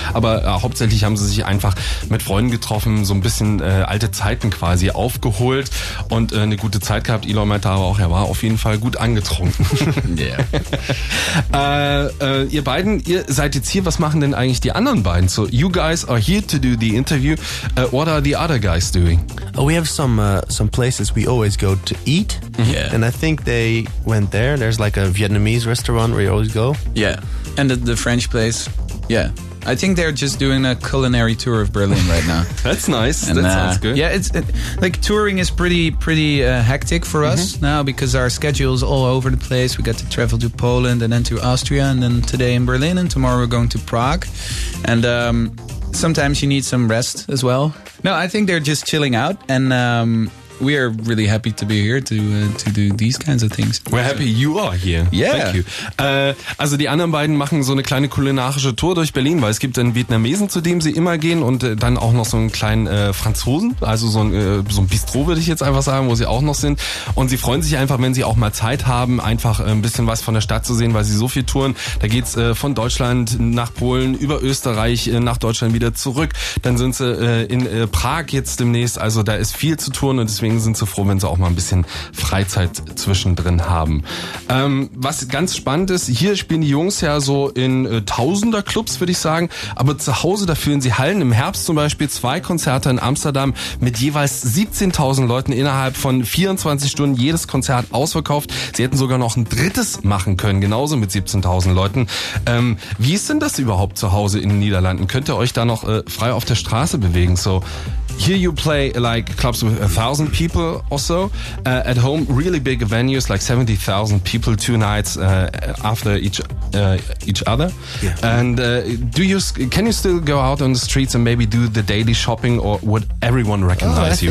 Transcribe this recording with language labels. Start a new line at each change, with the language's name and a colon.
German: Aber hauptsächlich haben Sie sich einfach mit Freunden getroffen, so ein bisschen alte Zeiten quasi aufgeholt und eine gute Zeit gehabt. Eloy meinte aber auch, er war auf jeden Fall gut angetrunken.
English: Yeah.
German: Ihr beiden, ihr seid jetzt hier, was machen denn eigentlich die anderen beiden?
English: So, you guys are here to do the interview. What are the other guys doing? Oh, we have some places we always go to eat. Yeah. And I think they went there. There's like a Vietnamese restaurant where you always go. Yeah. And the French place. Yeah. I think they're just doing a culinary tour of Berlin right now. That's nice. And that sounds good. Yeah, it's touring is pretty hectic for us now because our schedule is all over the place. We got to travel to Poland and then to Austria and then today in Berlin and tomorrow we're going to Prague. And sometimes you need some rest as well. No, I think they're just chilling out and... we are really happy to be here to do these kinds of things. We're happy you are here. Yeah. Thank you.
German: Also die anderen beiden machen so eine kleine kulinarische Tour durch Berlin, weil es gibt einen Vietnamesen, zu dem sie immer gehen und dann auch noch so einen kleinen Franzosen, also so ein Bistro würde ich jetzt einfach sagen, wo sie auch noch sind. Und sie freuen sich einfach, wenn sie auch mal Zeit haben, einfach ein bisschen was von der Stadt zu sehen, weil sie so viel touren. Da geht's von Deutschland nach Polen, über Österreich nach Deutschland wieder zurück. Dann sind sie in Prag jetzt demnächst. Also da ist viel zu tun und deswegen sind so froh, wenn sie auch mal ein bisschen Freizeit zwischendrin haben. Was ganz spannend ist, hier spielen die Jungs ja so in Tausender-Clubs, würde ich sagen, aber zu Hause, da führen sie Hallen. Im Herbst zum Beispiel zwei Konzerte in Amsterdam mit jeweils 17.000 Leuten innerhalb von 24 Stunden jedes Konzert ausverkauft. Sie hätten sogar noch ein drittes machen können, genauso mit 17.000 Leuten. Wie ist denn das überhaupt zu Hause in den Niederlanden? Könnt ihr euch da noch frei auf der Straße bewegen?
English: So, here you play like clubs with 1,000 people or so. At home, really big venues, like 70,000 people, two nights after each other. Yeah. And can you still go out on the streets and maybe do the daily shopping, or would everyone recognize you?